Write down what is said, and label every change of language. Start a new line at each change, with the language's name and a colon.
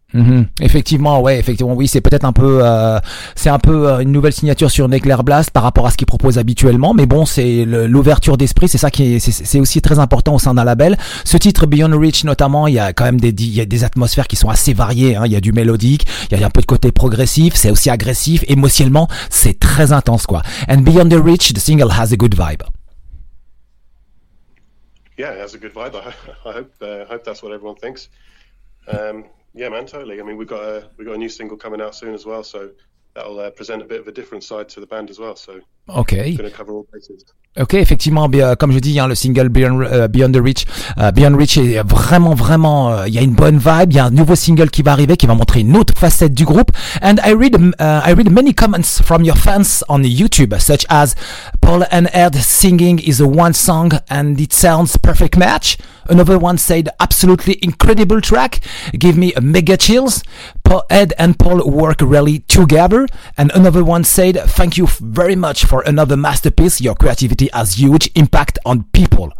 French: Mm-hmm. Effectivement, c'est peut-être un peu une nouvelle signature sur Nuclear Blast par rapport à ce qu'ils proposent habituellement, mais bon, c'est l'ouverture d'esprit, c'est ça qui c'est aussi très important au sein d'un label. Ce titre Beyond Reach, notamment, il y a quand même des atmosphères qui sont assez variées, hein. Il y a du mélodique, il y a un peu de côté progressif, c'est aussi agressif, émotionnellement, c'est très intense, quoi.
English: And Beyond the Reach, the single has a good vibe. Yeah, it has a good vibe. I hope that's what everyone thinks. Yeah, man, totally. I mean, we've got a new single coming out soon as well, so that'll present a bit of a different side to the band as well. So, okay, going to cover all bases.
French: Ok, effectivement, comme je dis, hein, le single Beyond Reach est vraiment, il y a une bonne vibe, il y a un nouveau single qui va arriver, qui va montrer une autre facette du groupe.
English: And I read many comments from your fans on YouTube, such as Paul and Ed singing is a one song and it sounds perfect match. Another one said absolutely incredible track, give me a mega chills. Ed and Paul work really together. And another one said thank you very much for another masterpiece, your creativity has huge impact on people.